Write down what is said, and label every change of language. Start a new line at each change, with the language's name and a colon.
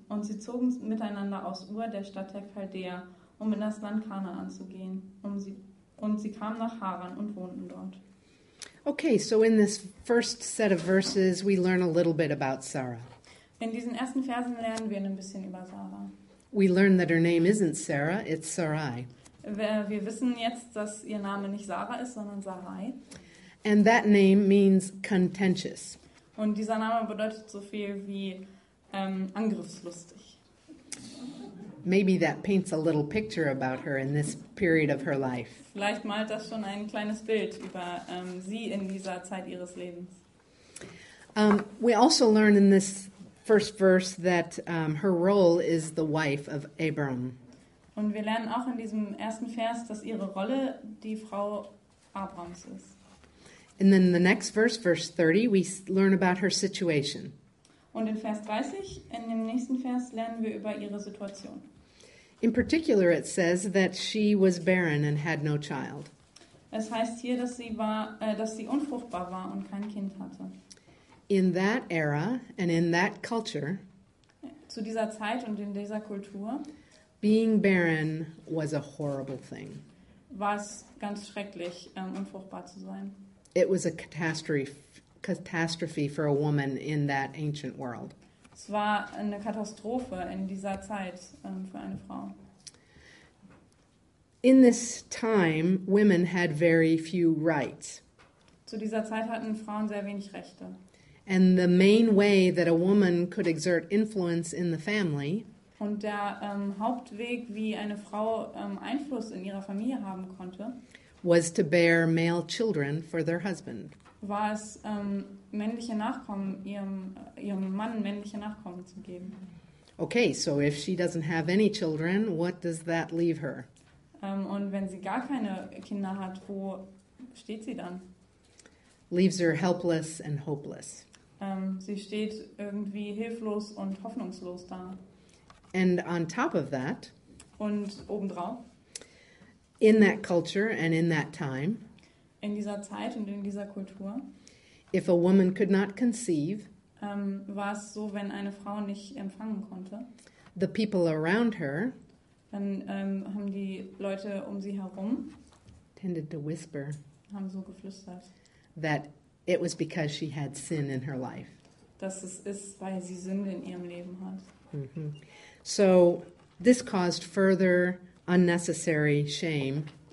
German: Und sie zogen miteinander aus Ur, der Stadt der Chaldäer, um in das Land Kanaan zu gehen. Und sie kamen nach Haran und wohnten dort.
English: Okay, so in this first set of verses, we learn a little bit about Sarah.
German: In diesen ersten Versen lernen wir ein bisschen über Sarah.
English: We learn that her name isn't Sarah, it's Sarai.
German: Wir wissen jetzt, dass ihr Name nicht Sarah ist, sondern Sarai.
English: And that name means contentious.
German: Und dieser Name bedeutet so viel wie angriffslustig.
English: Maybe that paints a little picture about her in this period of her life.
German: Vielleicht malt das schon ein kleines Bild über sie in dieser Zeit ihres Lebens.
English: We also learn in this first verse that her role is the wife of Abram.
German: Und wir lernen auch in diesem ersten Vers, dass ihre Rolle die Frau Abrams ist.
English: And then the next verse, verse 30, we learn about her situation.
German: Und in Vers 30, in dem nächsten Vers, lernen wir über ihre Situation.
English: In particular, it says that she was barren and had no child.
German: Es heißt hier, dass sie war, dass sie unfruchtbar war und kein Kind hatte.
English: In that era and in that culture,
German: zu dieser Zeit und in dieser Kultur,
English: being barren was a horrible thing.
German: War es ganz schrecklich, unfruchtbar zu sein.
English: It was a catastrophe for a woman in that ancient world.
German: Es war eine Katastrophe in dieser Zeit für eine Frau.
English: In this time, women had very few rights.
German: Zu dieser Zeit hatten Frauen sehr wenig Rechte.
English: And the main way that a woman could exert influence in the family.
German: Und der Hauptweg, wie eine Frau Einfluss in ihrer Familie haben konnte,
English: was to bear male children for their husband.
German: War es, männliche Nachkommen, ihrem Mann männliche Nachkommen zu geben.
English: Okay, so if she doesn't have any children, what does that leave her?
German: Und wenn sie gar keine Kinder hat, wo steht sie dann?
English: Leaves her helpless and hopeless.
German: Sie steht irgendwie hilflos und hoffnungslos da.
English: And on top of that,
German: und obendrauf,
English: in that culture and in that time,
German: in dieser Zeit und in dieser Kultur,
English: if a woman could not conceive,
German: war es so, wenn eine Frau nicht empfangen konnte,
English: the people around her,
German: dann haben die Leute um sie herum,
English: tended to whisper,
German: haben so geflüstert,
English: that it was because she had sin in her life.
German: Dass es ist, weil sie Sünde in ihrem Leben hat. Mm-hmm.
English: So this caused further unnecessary shame.